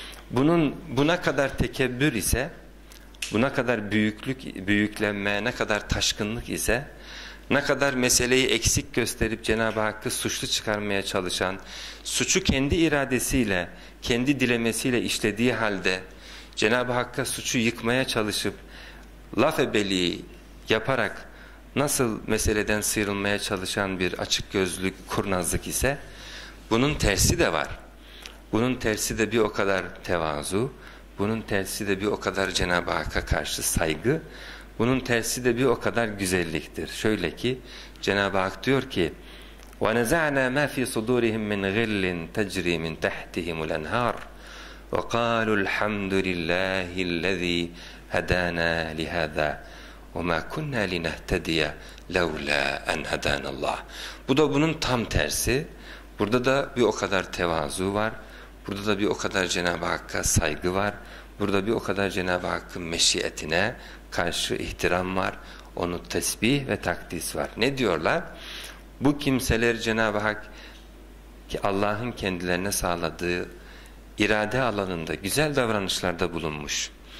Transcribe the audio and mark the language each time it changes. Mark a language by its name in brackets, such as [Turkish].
[Turkish] Bunun buna kadar tekebbür ise, buna kadar büyüklük, büyüklenme, ne kadar taşkınlık ise, ne kadar meseleyi eksik gösterip Cenab-ı Hakk'ı suçlu çıkarmaya çalışan, suçu kendi iradesiyle, kendi dilemesiyle işlediği halde Cenab-ı Hakk'a suçu yıkmaya çalışıp laf ebeli yaparak nasıl meseleden sıyrılmaya çalışan bir açık gözlük, kurnazlık ise, bunun tersi de var. Bunun tersi de bir o kadar tevazu, bunun tersi de bir o kadar Cenab-ı Hakk'a karşı saygı, bunun tersi de bir o kadar güzelliktir. Şöyle ki Cenab-ı Hak diyor ki [Arabic] ونزعنا ما في صدورهم من غل تجري من تحتهم الأنهار وقالوا الحمد لله الذي هدانا لهذا وما كنا لنهتدي لولا أن هدانا الله. [Turkish] Bu da bunun tam tersi. Burada da bir o kadar tevazu var. Burada da bir o kadar Cenab-ı Hakk'a saygı var. Burada bir o kadar Cenab-ı Hakk'ın meşiyetine karşı ihtiram var. Onu tesbih ve takdis var. Ne diyorlar? Bu kimseler Cenab-ı Hak ki Allah'ın kendilerine sağladığı irade alanında güzel davranışlarda bulunmuş.